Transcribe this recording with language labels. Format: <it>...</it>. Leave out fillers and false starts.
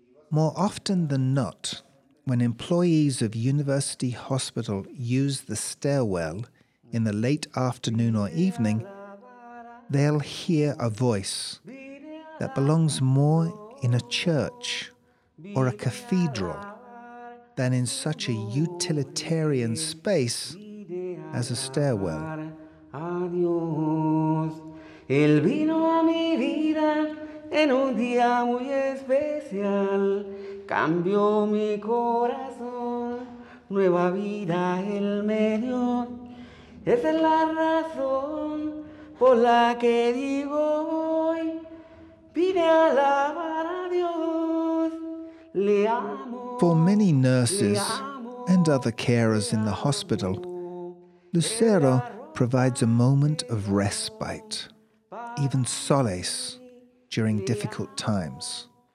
<en>More often than not, when employees of University Hospital use the stairwell in the late afternoon or evening, they'll hear a voice that belongs more in a church or a cathedral than in such a utilitarian space as a stairwell.</en> <es>Adiós. Él vino a mi vida en un día muy especial. Cambió mi corazón. Nueva vida él me dio. Esa es la razón por la que digo hoy. Vine a alabar a Dios. Le amo.</es> <en>For many nurses and other carers in the hospital, Lucero provides a moment of respite, even solace, during difficult times.</en>